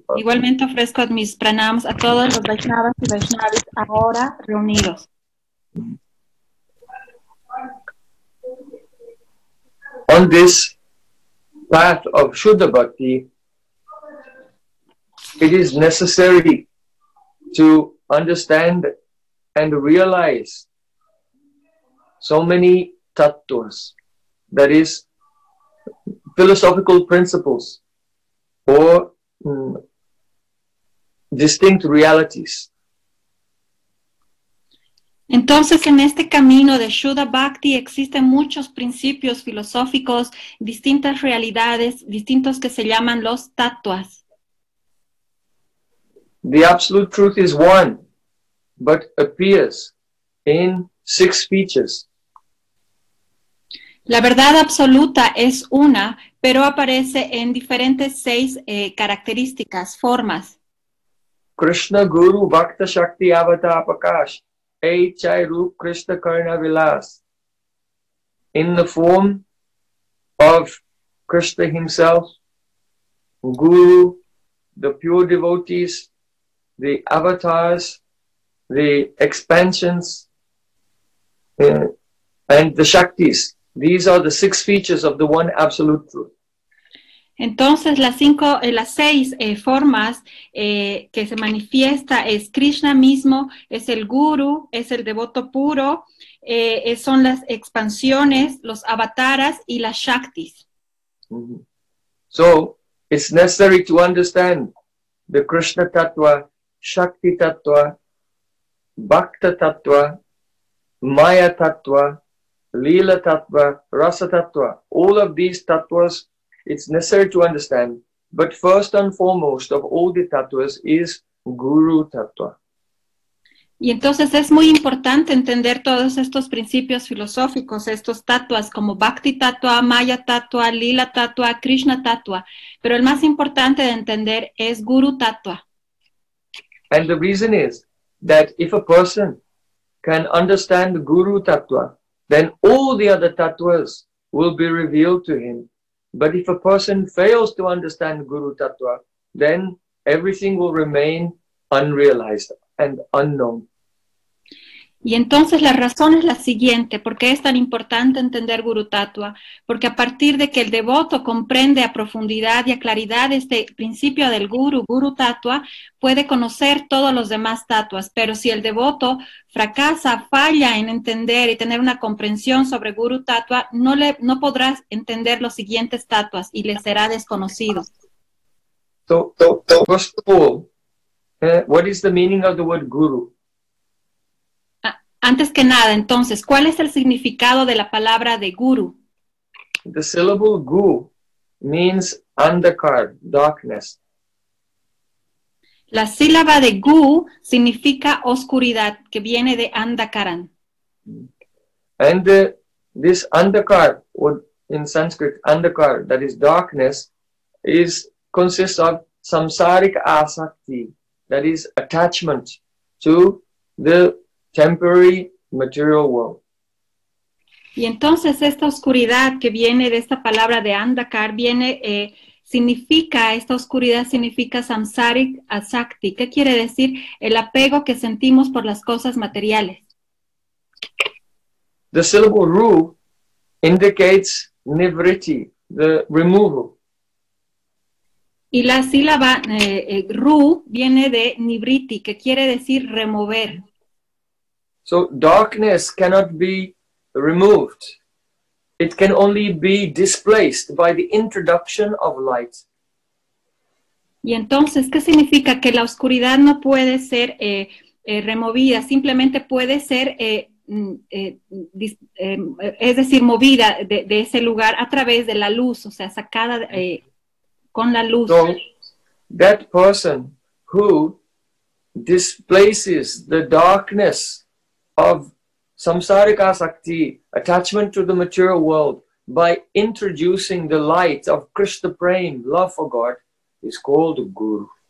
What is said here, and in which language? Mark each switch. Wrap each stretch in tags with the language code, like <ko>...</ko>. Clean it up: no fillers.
<es>Igualmente ofrezco mis pranams a todos los Vaishnavas y Vaishnavis ahora reunidos.</es> <en>On this path of Shuddha Bhakti, it is necessary to understand and realize so many tattvas, that is, philosophical principles or distinct realities.</en> <es>Entonces, en este camino de Shuddha Bhakti existen muchos principios filosóficos, distintas realidades, distintos que se llaman los tattvas.</es> <en>The absolute truth is one, but appears in six features.</en> <es>La verdad absoluta es una, pero aparece en diferentes seis características, formas.</es> <sa>Krishna Guru Bhakta Shakti Avata Apakash. Chai Rup Krishna Karna Vilas,</sa> <en>in the form of Krishna himself, Guru, the pure devotees, the avatars, the expansions, and the Shaktis. These are the six features of the one absolute truth.</en> <es>Entonces, las seis formas que se manifiesta es Krishna mismo, es el Guru, es el devoto puro, son las expansiones, los avataras y las Shaktis.</es> <en>So, it's necessary to understand the Krishna Tattva, Shakti Tattva, Bhakta Tattva, Maya Tattva, Lila Tattva, Rasa Tattva. All of these tattvas, it's necessary to understand. But first and foremost of all the tattvas is Guru Tattva.</en> <es>Y entonces es muy importante entender todos estos principios filosóficos, estos tatuas como Bhakti Tatua, Maya Tatua, Lila Tatua, Krishna Tatua. Pero el más importante de entender es Guru Tatua.</es> <en>And the reason is that if a person can understand Guru Tatua, then all the other tatuas will be revealed to him. But if a person fails to understand Guru Tatua, then everything will remain unrealized and unknown.</en> <es>Y entonces la razón es la siguiente, ¿por qué es tan importante entender Guru Tattva? Porque a partir de que el devoto comprende a profundidad y a claridad este principio del Guru, Guru Tattva, puede conocer todos los demás tattvas. Pero si el devoto fracasa, falla en entender y tener una comprensión sobre Guru Tattva, no podrá entender los siguientes tattvas y le será desconocido.</es> <en>So, first of all, what is the meaning of the word Guru?</en> <es>Antes que nada, entonces, ¿cuál es el significado de la palabra de guru?</es> <en>The syllable gu means andakar, darkness.</en> <es>La sílaba de gu significa oscuridad, que viene de andakaran.</es> <en>And this andakar, in Sanskrit, andakar, that is darkness, consists of samsarika asakti, that is attachment to the temporary material world.</en> <es>Y entonces esta oscuridad que viene de esta palabra de andakar viene significa esta oscuridad significa samsarik asakti. ¿Qué quiere decir? El apego que sentimos por las cosas materiales.</es> <en>The syllable ru indicates nivritti, the removal.</en> <es>Y la sílaba ru viene de nivritti, que quiere decir remover.</es> <en>So darkness cannot be removed. It can only be displaced by the introduction of light.</en> <es>Y entonces, ¿qué significa? Que la oscuridad no puede ser removida, simplemente puede ser, es decir, movida de ese lugar a través de la luz, o sea, sacada con la luz.</es> <en>So that person who displaces the darkness of samsarika sakti, attachment to the material world, by introducing the light of Krishna prema, love for God, is called guru.</en>